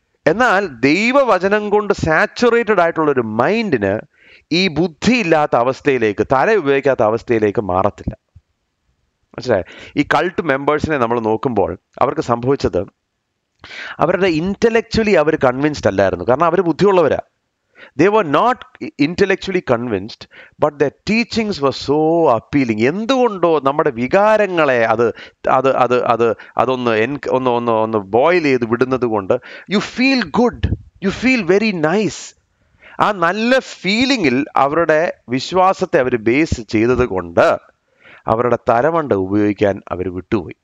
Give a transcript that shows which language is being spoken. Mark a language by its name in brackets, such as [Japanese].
[Malayalam] എന്നാൽ ദൈവവചനം കൊണ്ട് സാച്ചുറേറ്റഡ് ആയിട്ടുള്ളൊരു മൈൻഡിന് ഈ ബുദ്ധിയില്ലാത്ത അവസ്ഥയിലേക്ക്, തല ഉപയോഗിക്കാത്ത അവസ്ഥയിലേക്ക് മാറത്തില്ല. പക്ഷേ ഈ കൾട്ട് മെമ്പേഴ്സിനെ നമ്മൾ നോക്കുമ്പോൾ അവർക്ക് സംഭവിച്ചത് അവരുടെ ഇൻ്റലക്ച്വലി അവർ കൺവിൻസ്ഡ് അല്ലായിരുന്നു, കാരണം അവർ ബുദ്ധിയുള്ളവരാണ്. [English] They were not intellectually convinced, but their teachings were so appealing. [Malayalam] എന്തുകൊണ്ടോ നമ്മുടെ വികാരങ്ങളെ അത് അത് അത് അത് അതൊന്ന് എൻ ഒന്ന് ഒന്ന് ഒന്ന് ബോയിൽ ചെയ്ത് വിടുന്നത് കൊണ്ട് [English] You feel good, you feel very nice. [Malayalam] ആ നല്ല ഫീലിങ്ങിൽ അവരുടെ വിശ്വാസത്തെ അവർ ബേസ് ചെയ്തത് കൊണ്ട് അവരുടെ തലമുണ്ട ഉപയോഗിക്കാൻ അവർ വിട്ടുപോയി.